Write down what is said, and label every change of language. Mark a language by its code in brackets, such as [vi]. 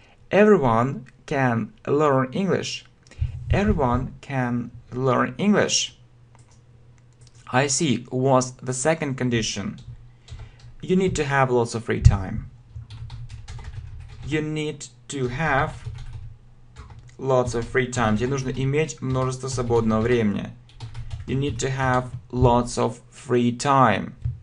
[en] Everyone can learn English. Everyone can learn English. I see. Was the second condition. You need to have lots of free time. You need to have lots of free time. [ru] Тебе нужно иметь множество свободного времени. [en] You need to have lots of free time.